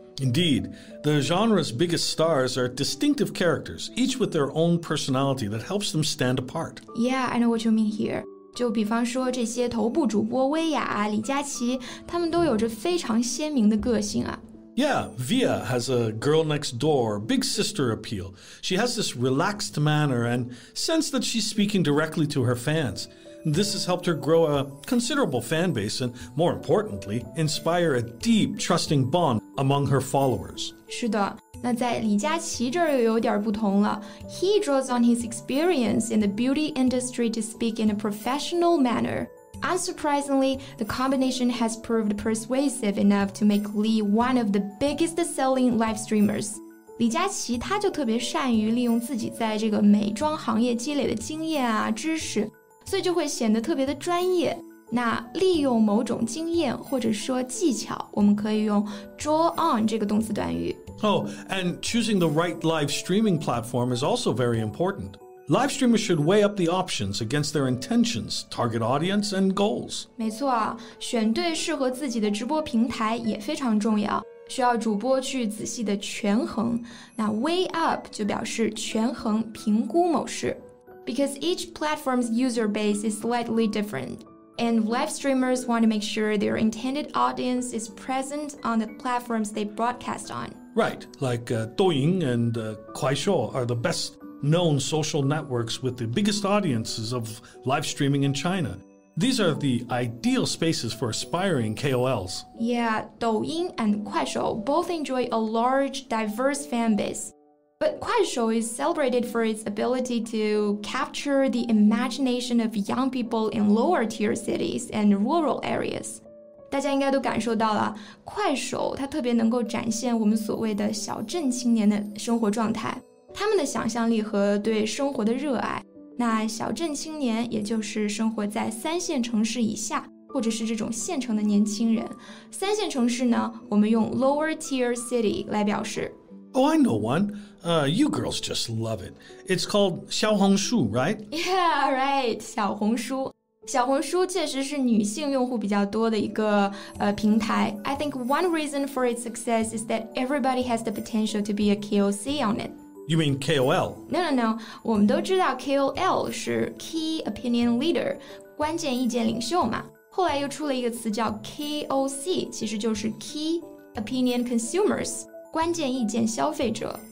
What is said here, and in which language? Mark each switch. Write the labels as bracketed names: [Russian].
[English] Indeed, the genre's biggest stars are distinctive characters, each with their own personality that helps them stand apart. Yeah, I know what you mean here. [Chinese] 就比方说这些头部主播薇娅、李佳琦，他们都有着非常鲜明的个性啊。 [English] Yeah, Via has a girl next door, big sister appeal. She has this relaxed manner and sense that she's speaking directly to her fans. This has helped her grow a considerable fan base and, more importantly, inspire a deep, trusting bond among her followers. [Chinese] 是的。那在李佳琦这儿又有点不同了。 [English] He draws on his experience in the beauty industry to speak in a professional manner. Unsurprisingly, the combination has proved persuasive enough to make Lee one of the biggest selling live streamers. [Chinese] 李佳琦他就特别善于利用自己在这个美妆行业积累的经验啊、知识，所以就会显得特别的专业。那利用某种经验或者说技巧，我们可以用 draw on 这个动词短语。 [English] Oh, and choosing the right live streaming platform is also very important. Live streamers should weigh up the options against their intentions, target audience, and goals. [Chinese] 没错啊，选对适合自己的直播平台也非常重要，需要主播去仔细的权衡。那 weigh up 就表示权衡、评估某事。 [English] Because each platform's user base is slightly different. And live streamers want to make sure their intended audience is present on the platforms they broadcast on. Right, like Douyin and Kuaishou are the best known social networks with the biggest audiences of live streaming in China. These are the ideal spaces for aspiring KOLs. Yeah, Douyin and Kuaishou both enjoy a large, diverse fan base. But Kuaishou is celebrated for its ability to capture the imagination of young people in lower-tier cities and rural areas. [Chinese] 大家应该都感受到了，快手它特别能够展现我们所谓的小镇青年的生活状态，他们的想象力和对生活的热爱。那小镇青年也就是生活在三线城市以下或者是这种县城的年轻人。三线城市呢，我们用 lower tier city 来表示。 [English] Oh, I know one. You girls just love it. It's called 小红书, right? Yeah, right. 小红书。 [Chinese] 小红书确实是女性用户比较多的一个平台。 [English] I think one reason for its success is that everybody has the potential to be a KOC on it. You mean KOL? [Chinese] No. 我们都知道 KOL 是 Key Opinion Leader, 关键意见领袖嘛。后来又出了一个词叫 KOC, 其实就是 Key Opinion Consumers,关键意见消费者。